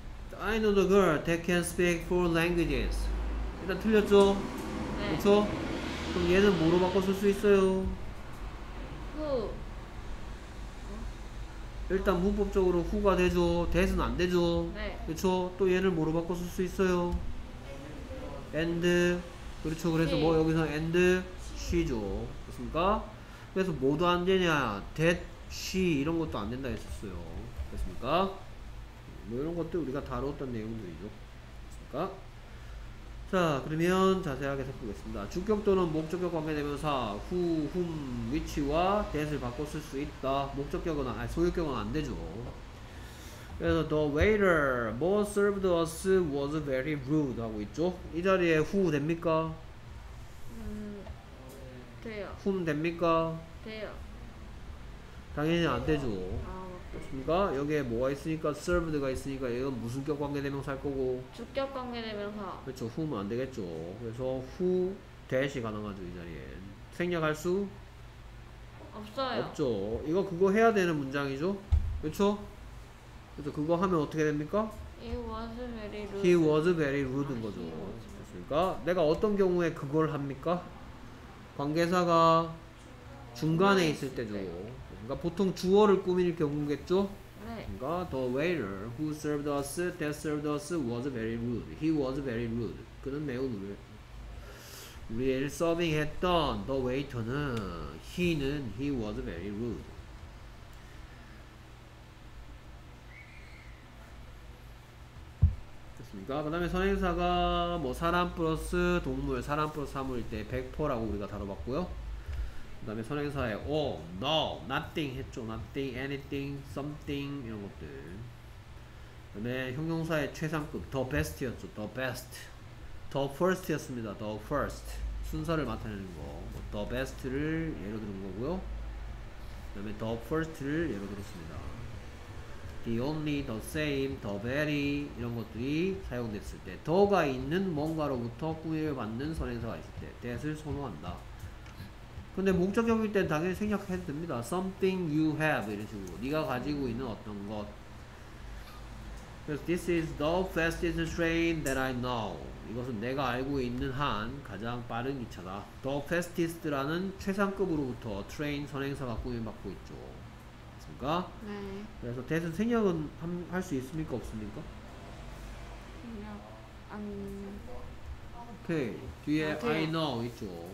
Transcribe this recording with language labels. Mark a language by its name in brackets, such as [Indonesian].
[English] 자, I know the girl that can speak four languages. [Korean] 일단 틀렸죠? 네. 그렇죠? 그럼 얘는 뭐로 바꿔 쓸 수 있어요? 후. 일단 문법적으로 후가 되죠. 대신 안 되죠. 네. 그렇죠? 또 얘를 뭐로 바꿔 쓸 수 있어요? And. 그렇죠. 그래서 뭐 여기서 and she죠. 그렇습니까? 그래서 뭐도 안 되냐? That, she 이런 것도 안 된다 했었어요. 그렇습니까? 뭐 이런 것들 우리가 다루었던 내용들이죠. 그렇습니까? 자 그러면 자세하게 살펴보겠습니다. 주격 또는 목적격 관계대명사 who, whom, which와 that을 바꿔 쓸 수 있다. 목적격은 아니 소유격은 안 되죠. 그래서 [English] the waiter who served us was very rude [Korean] 하고 있죠. 이 자리에 who 됩니까? 돼요. whom 됩니까? 돼요. 당연히 안 되죠. 아, 그렇습니까? 여기에 뭐가 있으니까 served가 있으니까 이건 무슨 격 관계대명사일 거고 주격 관계대명사 그렇죠. whom 안 되겠죠. 그래서 who, that이 가능하죠. 이 자리엔 생략할 수? 없어요. 없죠. 이거 그거 해야 되는 문장이죠. 그렇죠? 그래서 그거 하면 어떻게 됩니까? [English] He was very rude. He was very rude 인 거죠. 그렇습니까? [Korean] 내가 어떤 경우에 그걸 합니까? 관계사가 중간에 있을 때죠. 그니까 보통 주어를 꾸밀 경우겠죠? 네. 그니까 [English] the waiter who served us, that served us was very rude. He was very rude. [Korean] 그는 매우 우리를 서빙했던 [English] the waiter는 he는 he was very rude. [Korean] 됐습니까? 그 다음에 선행사가 뭐 사람 플러스 동물, 사람 플러스 사물일 때 100%라고 우리가 다뤄봤고요. 그 다음에 선행사에 all, no, nothing 했죠. nothing, anything, something 이런 것들. 그 다음에 형용사의 최상급 the best였죠. the best the first였습니다. the first 순서를 맡아내는 거 the best를 예로 들은 거고요. 그 다음에 the first를 예로 들었습니다. the only, the same, the very 이런 것들이 사용됐을 때 the가 있는 뭔가로부터 꾸밀을 받는 선행사가 있을 때 that을 선호한다. 근데 목적격일 땐 당연히 생략해도 됩니다. [English] something you have [Korean] 이런 식으로 네가 가지고 있는 어떤 것. 그래서 [English] this is the fastest train that I know. [Korean] 이것은 내가 알고 있는 한 가장 빠른 기차다. the fastest라는 최상급으로부터 train 선행사가 꾸밀받고 있죠. 그렇습니까? 네. 그래서 대신 생략은 할 수 있습니까? 없습니까? 생략 안... 오케이. 뒤에 맞아요. [English] I know [Korean] 있죠.